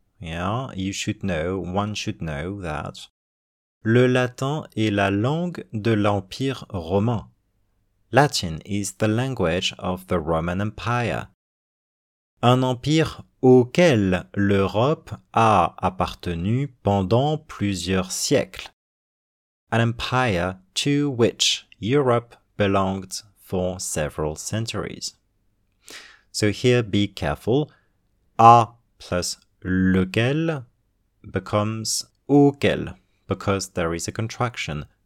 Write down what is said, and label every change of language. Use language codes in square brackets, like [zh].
[en] yeah, you should know, one should know that, [fr] le latin est la langue de l'Empire romain. [en] Latin is the language of the Roman Empire. [fr] Un empire auquel l'Europe a appartenu pendant plusieurs siècles. [en] An empire to which Europe belonged for several centuries. So here be careful. A plus lequel becomes auquel, because there is a contraction.